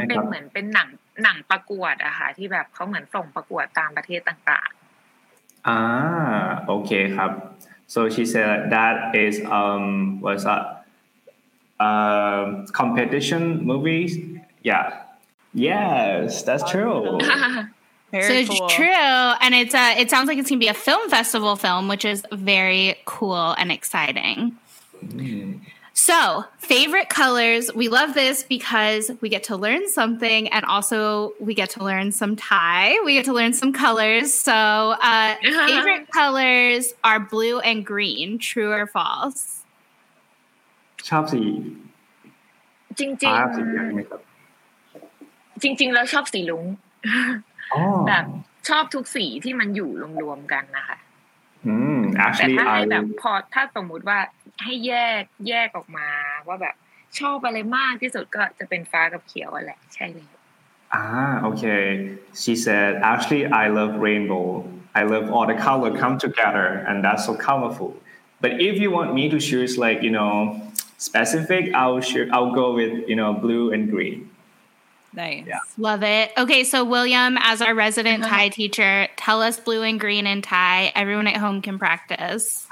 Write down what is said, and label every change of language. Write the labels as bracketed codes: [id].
[th] มันเป็นเหมือนเป็นหนังประกวดอะค่ะที่แบบเขาเหมือนส่งประกวดตามประเทศต่างๆ [en] โอเคครับ so she said that is was a competition movies yes that's true so it's true and it's a it sounds like it's gonna be a film festival film which is very cool and exciting So, favorite colors. We love this because we get to learn something and also we get to learn some Thai. We get to learn some colors. So, favorite colors are blue and green. True or false? [th] ชอบสี จริงๆ จริงๆแล้วชอบสีลุงแบบชอบทุกสีที่มันอยู่รวมๆกันนะคะ [en] actually [th] แต่ถ้าให้แบบพอถ้าสมมุติว่าให้แยกออกมาว่าแบบชอบอะไรมากที่สุดก็จะเป็นฟ้ากับเขียวอ่ะแหละใช่เลย [en] โอเค she said actually I love rainbow I love all the color come together and that's so colorful but if you want me to choose like you know specific I'll go with you know blue and green nice yeah. love it okay so William as our resident Thai teacher tell us blue and green in Thai everyone at home can practice